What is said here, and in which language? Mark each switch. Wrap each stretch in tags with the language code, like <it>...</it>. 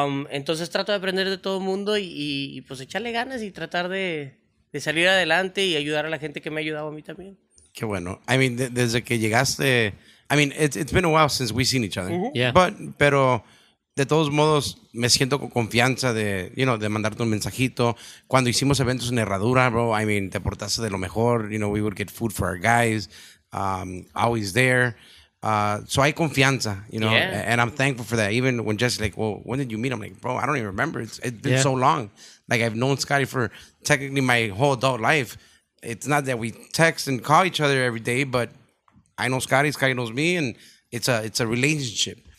<es>Entonces trato de aprender de todo el mundo y pues echarle ganas y tratar de salir adelante y ayudar a la gente que me ha ayudado a mí también. Qué bueno.</es> <en>I mean,</en> <es>desde que llegaste...</es> <en>I mean, it's been a while since we've seen each other. Uh-huh. Yeah.</en> <es>Pero... De todos modos, me siento con confianza de,</es> <en>you know,</en> <es>de mandarte un mensajito. Cuando hicimos eventos en Herradura, bro,</es> <en>I mean,</en> <es>te portaste de lo mejor.</es> <en>You know, we would get food for our guys. Always there. So</en> <es>hay confianza,</es> <en>you know. Yeah. And I'm thankful for that. Even when Jesse's like, well, when did you meet? I'm like, bro, I don't even remember. It's been so long. Like, I've known Scottie for technically my whole adult life. It's not that we text and call each other every day, but I know Scottie, Scottie knows me, and it's a relationship.</en>